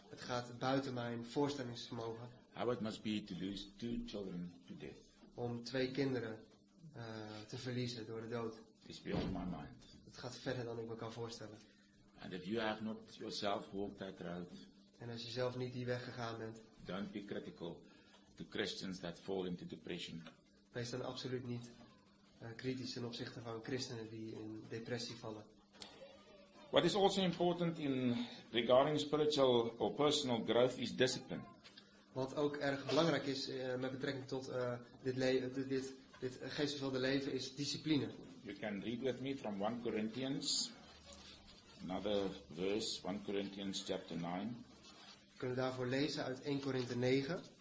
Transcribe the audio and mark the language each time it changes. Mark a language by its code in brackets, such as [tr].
[nl] Het gaat buiten mijn voorstellingsvermogen. [en] How it must be to lose two children to death. [nl] Om twee kinderen te verliezen door de dood. [en] It's beyond my mind. [nl] Het gaat verder dan ik me kan voorstellen. [en] And if you have not yourself walked that road. [nl] En als je zelf niet die weg gegaan bent. [en] Don't be critical to Christians that fall into depression. [nl] Wees dan absoluut niet kritisch ten opzichte van christenen die in depressie vallen. [en] What is also important in regarding spiritual or personal growth is discipline. [nl] Wat ook erg belangrijk is met betrekking tot dit geestvervulde leven is discipline. [en] You can read with me from 1 Corinthians, another verse, 1 Corinthians chapter 9. [nl] We kunnen daarvoor lezen uit 1 Korinthe 9.